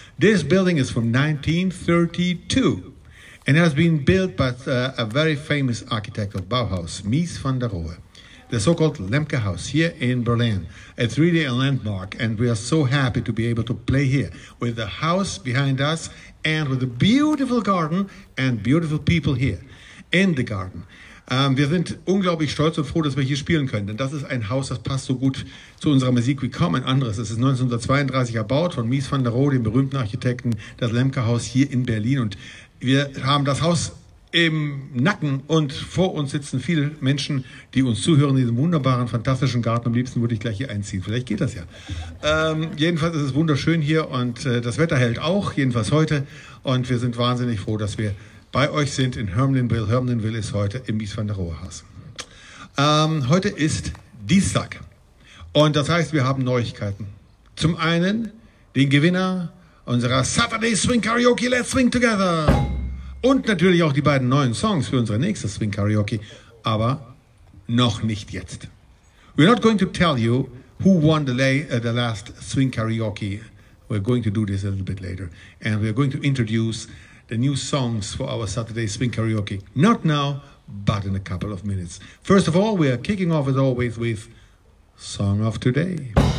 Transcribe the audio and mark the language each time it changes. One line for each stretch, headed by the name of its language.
English: This building is from 1932 and has been built by a very famous architect of Bauhaus, Mies van der Rohe, the so-called Lemke House here in Berlin. It's really a landmark and we are so happy to be able to play here with the house behind us and with a beautiful garden and beautiful people here in the garden.
German: Wir sind unglaublich stolz und froh, dass wir hier spielen können, denn das ist ein Haus, das passt so gut zu unserer Musik wie kaum ein anderes. Es ist 1932 erbaut von Mies van der Rohe, dem berühmten Architekten, das Lemke-Haus hier in Berlin. Und wir haben das Haus im Nacken und vor uns sitzen viele Menschen, die uns zuhören in diesem wunderbaren, fantastischen Garten. Am liebsten würde ich gleich hier einziehen, vielleicht geht das ja. Jedenfalls ist es wunderschön hier und das Wetter hält auch, jedenfalls heute. Und wir sind wahnsinnig froh, dass wir bei euch sind in Hermelinville. Hermelinville ist heute im Mies van der Rohe Haus. Heute ist Dienstag und das heißt, wir haben Neuigkeiten. Zum einen den Gewinner unserer Saturday Swing Karaoke Let's Swing Together und natürlich auch die beiden neuen Songs für unsere nächste Swing Karaoke. Aber noch nicht jetzt.
English: We're not going to tell you who won the last swing karaoke. We're going to do this a little bit later. And we're going to introduce the new songs for our Saturday swing karaoke. Not now, but in a couple of minutes. First of all, we are kicking off as always with Song of Today.